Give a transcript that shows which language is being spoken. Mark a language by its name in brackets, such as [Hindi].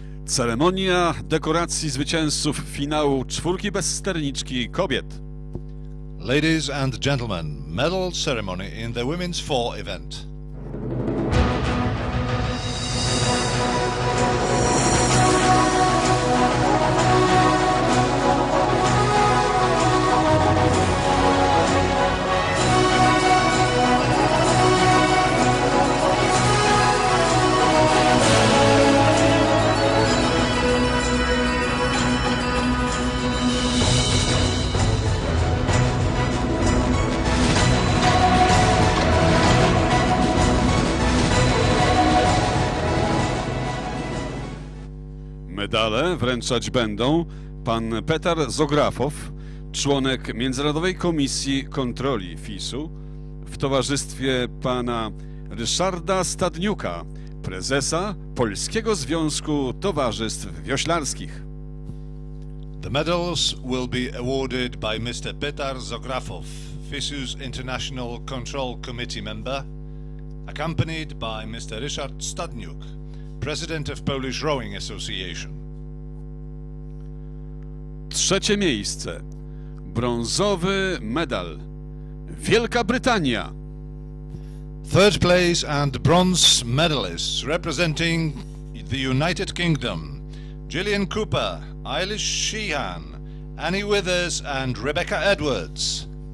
[Polish] Ceremonia dekoracji zwycięzców finału czwórki bez sterniczki kobiet. [English] Ladies and gentlemen, medal ceremony in the women's four event. [Polish] Medale wręczać będą pan Petar Zografow, członek Międzynarodowej Komisji Kontroli FISU, w towarzystwie pana Ryszarda Stadniuka, prezesa Polskiego Związku Towarzystw Wioślarskich. [English] The medals will be awarded by Mr. Petar Zografow, FISU's International Control Committee member, accompanied by Mr. Ryszard Stadniuk, president of Polish Rowing Association. [Polish] Trzecie miejsce, brązowy medal, Wielka Brytania. [English] Third place and bronze medalists representing the United Kingdom, Gillian Cooper, Eilish Sheehan, Annie Withers and Rebecca Edwards.